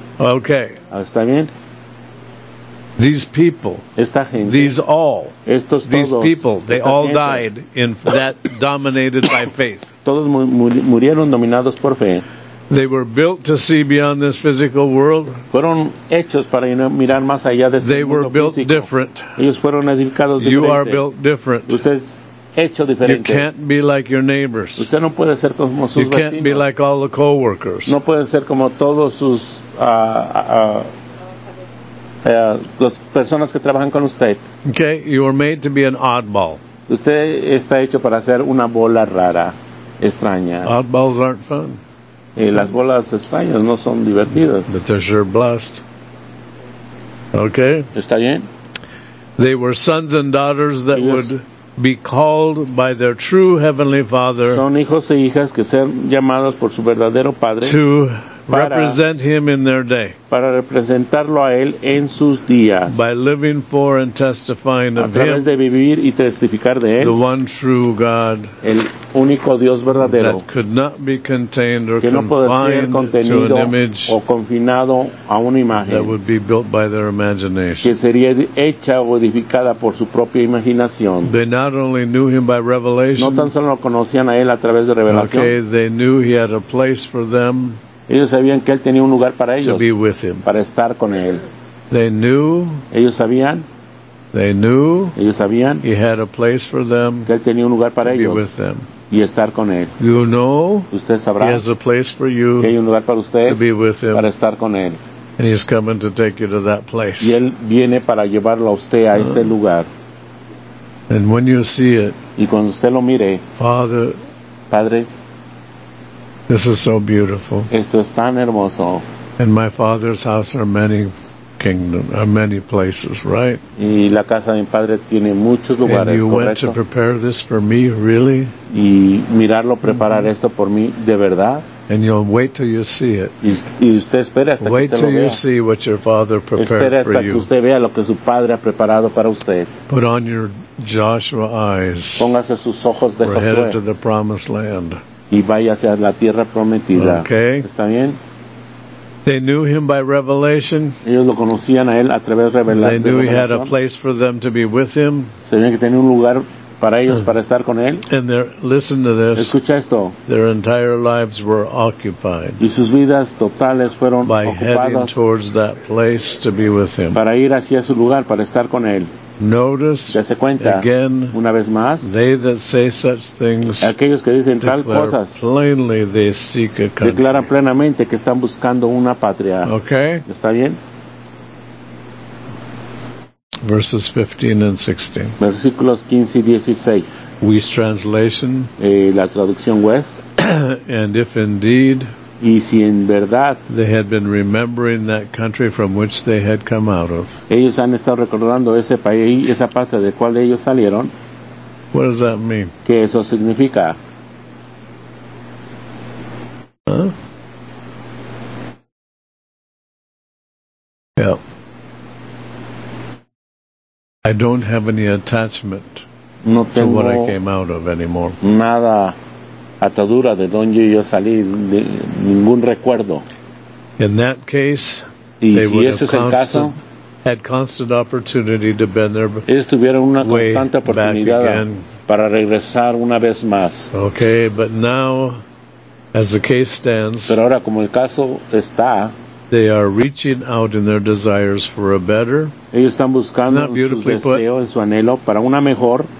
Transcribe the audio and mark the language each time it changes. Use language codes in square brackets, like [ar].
[en] Okay. [es] ¿Está bien? [en] These people, [es] esta gente, [en] these all, [es] estos todos, [en] these people, they all [es] gente, [en] died in that dominated by faith. [es] Todos murieron dominados por fe. [en] They were built to see beyond this physical world. [es] Fueron hechos para mirar más allá de este [en] they [es] mundo [en] were built [es] físico. [en] Different. [es] Ellos fueron edificados diferente. [en] You are built different. [es] Usted es hecho diferente. [en] You can't be like your neighbors. [es] Usted no puede ser como sus [en] you [es] vecinos. [en] Can't be like all the co-workers. [es] No puede ser como todos sus las personas que trabajan con usted. [en] Okay, you are made to be an oddball. [es] Usted está hecho para ser una bola rara, extraña. [en] Oddballs aren't fun. [es] Y las bolas extrañas no son divertidas. [en] But they're sure blessed. Okay. [es] Está bien. [en] They were sons and daughters that [es] ellos [en] would be called by their true heavenly father. [es] Son hijos e hijas que sean llamados por su verdadero padre. [en] To represent him in their day. [es] Para representarlo a él en sus días. [en] By living for and testifying of him. [es] A través de vivir y testificar de él. [en] The one true God. [es] El único Dios verdadero. [en] That could not be contained or [es] que no [en] confined [es] puede ser contenido [en] to an image [es] o confinado a una imagen. [en] That would be built by their imagination. [es] Que sería hecha o edificada por su propia imaginación. [en] They not only knew him by revelation. [es] No tan solo lo conocían a él a través de revelación. [en] Okay, they knew he had a place for them. [es] Ellos sabían que él tenía un lugar para ellos, [en] to be with him. [es] Para estar con él. [en] They knew, [es] ellos sabían, [en] they knew, [es] ellos sabían, [en] he had a place for them, [es] que él tenía un lugar para [en] to [es] ellos, [en] be with them. [es] Y estar con él. [en] You know, [es] usted sabrá, [en] he has a place for you, [es] que hay un lugar para usted, [en] to be with him, [es] para estar con él. [en] And he's coming to take you to that place. [es] Y él viene para llevarlo a usted a ese lugar. [en] And when you see it, [es] y cuando usted lo mire, [en] Father, [es] Padre, [en] this is so beautiful. [es] Esto es tan hermoso. [en] In my father's house are many kingdoms, are many places, right? [es] Y la casa de mi padre tiene muchos lugares, [en] and you [es] correcto. [en] Went to prepare this for me, really? [es] Y mirarlo, preparar mm-hmm. esto por mí, de verdad? [en] And you'll wait till you see it. [es] Y usted espera hasta [en] wait [es] que usted [en] till [es] lo [en] you See what your father prepared [es] espera hasta [en] for [es] que [en] you. [es] Usted vea lo que su padre ha preparado para usted. [en] Put on your Joshua eyes. [es] Póngase sus ojos de [en] Josué. Headed to the promised land. [es] Y vaya hacia la tierra prometida. [en] Okay. [es] ¿Está bien? [en] They knew him by revelation. [es] Ellos lo conocían a él a través de revelación. [en] They knew he had a place for them to be with him. [es] Sabían que tenía un lugar para ellos para estar con él. [en] And they're, listen to this. [es] Escucha esto. [en] Their entire lives were occupied. [es] Y sus vidas totales fueron [en] by [es] ocupadas [en] heading towards that place to be with him. [es] Para ir hacia su lugar para estar con él. [en] Notice [es] cuenta, [en] again, [es] una vez más, [en] they that say such things [es] aquellos que dicen [en] declare [es] tal cosas, [en] plainly they seek a country. [es] Declaran plenamente que están buscando una patria. [en] Okay. [es] ¿Está bien? [en] Verses 15 and 16. [es] Versículos 15 y 16. [en] We's translation. [es] La traducción [en] West. And if indeed [es] y si en verdad [en] they had been remembering that country from which they had come out of. [es] Ellos han estado recordando ese país, esa parte de cual ellos salieron. [en] What does that mean? [es] ¿Qué eso significa? [en] Huh? Yeah. I don't have any attachment [es] no tengo [en] to what I came out of anymore. [es] Nada atadura de donde yo salí, de ningún recuerdo. [en] In that case, [es] y [en] they [es] si [en] would [es] ese es el caso, [en] had constant opportunity to bend their way. [es] Ellos tuvieron una constante oportunidad para regresar una vez más. [en] Okay, but now, as the case stands, [es] pero ahora como el caso está, [en] they are reaching out in their desires for a better. [es] Ellos están buscando su deseo, en su anhelo para una mejor.